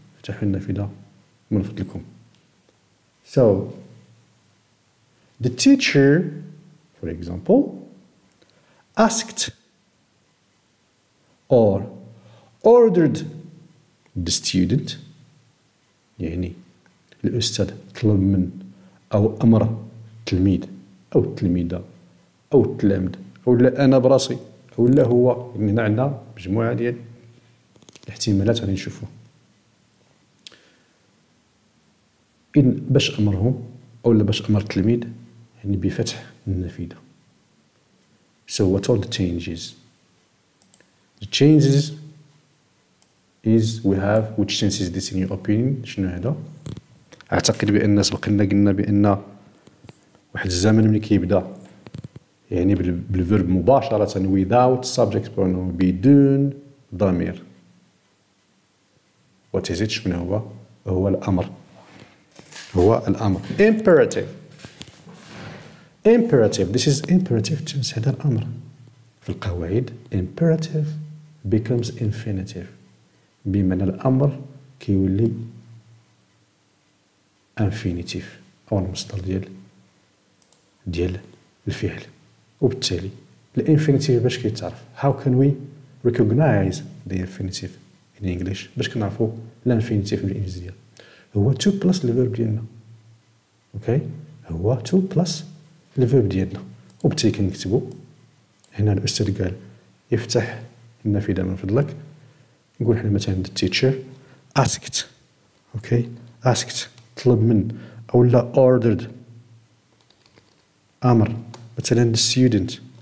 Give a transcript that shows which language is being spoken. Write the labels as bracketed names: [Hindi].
[Arabic] افتحوا النافذة من فضلكم. [English] So, the teacher, for example, asked or ordered the student, [Arabic] يعني الأستاذ طلب من أو أمر التلميذ أو التلميذة أو التلامذة أو لا أنا براسي أو لا هو, يعني عندنا مجموعة ديال الاحتمالات غادي نشوفوها. إن باش أمرهم أو لا باش أمر التلميذ, يعني بفتح النافذة. [English] So what are the changes? The changes is we have, which sense is this in your opinion? [Arabic] شنو هذا؟ أعتقد بأن سبق لنا قلنا بأن واحد الزمن من كيبدأ يعني بالفيرب مباشرة [English] without subject pronoun [Arabic] بدون ضمير. [English] What is it? [Arabic] شنو هو؟ هو الأمر. هو الأمر. [English] Imperative. Imperative, this is imperative tense, [Arabic] هذا الأمر. في القواعد, [English] imperative becomes infinitive. [Arabic] بمعنى الأمر كيولي infinitive, أو المصدر ديال الفعل. وبالتالي, الإنفينيتيف باش كيتعرف. [English] How can we recognize the infinitive in English? [Arabic] باش كنعرفو الإنفينيتيف بالإنجليزية. هو 2 [English] plus the verb [Arabic] ديالنا. Okay? هو 2 plus الفيرب ديالنا. وبالتالي كنكتبو هنا الأستاذ قال افتح النافذة من فضلك. نقول حنا مثلا [English] the teacher asked. Okay, asked [Arabic] طلب من أو لا ordered أمر مثلا [English] the student.